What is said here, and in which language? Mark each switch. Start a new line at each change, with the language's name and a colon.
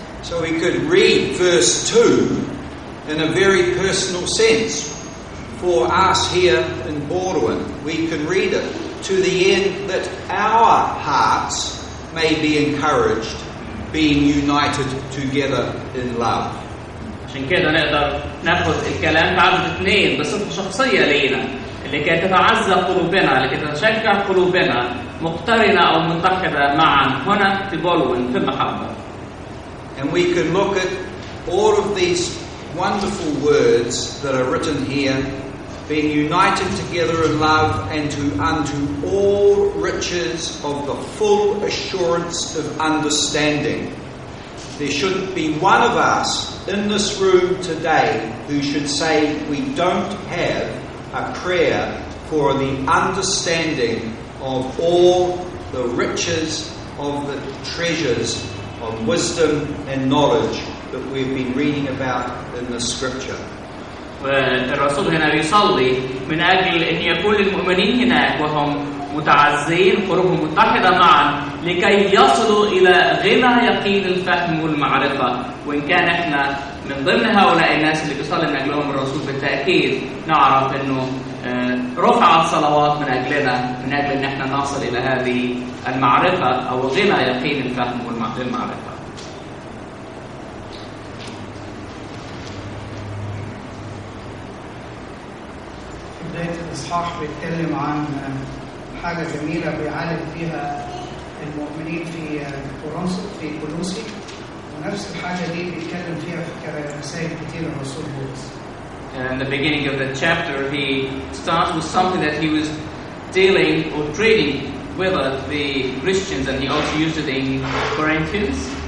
English: So we could read verse 2 in a very personal sense. For us here in Baldwin, we can read it to the end that our hearts may be encouraged, being united together in love.
Arabic: عشان كده نقدر ناخد الكلام في عدد 2 بصفة شخصية لينا اللي كانت تتعزق قلوبنا، اللي كانت تشجع قلوبنا مقترنة أو متحدة معا هنا في بولون في المحبة.
English: And we can look at all of these wonderful words that are written here, being united together in love and to unto all riches of the full assurance of understanding. There shouldn't be one of us in this room today who should say we don't have a prayer for the understanding of all the riches of the treasures of wisdom and knowledge that we've been reading about in the scripture.
Arabic: والرسول هنا يصلي من أجل أن يكون المؤمنين هناك وهم متعزين قربهم متحدة معا لكي يصلوا إلى غنى يقين الفهم والمعرفة. وإن كان إحنا من ضمن هؤلاء الناس اللي بيصلي من أجلهم الرسول بالتأكيد نعرف أنه رفعت صلوات من أجلنا من أجل أن احنا نصل إلى هذه المعرفة أو غنى يقين الفهم والمعرفة. بداية الإصحاح بيتكلم عن حاجة جميلة بيعالج فيها المؤمنين في كورنثوس في كولوسي، ونفس الحاجة دي بيتكلم فيها في رسائل كتير الرسول بولس.
English: In the beginning of the chapter, he starts with something that he was dealing or treating with the Christians, and he also used it in Corinthians.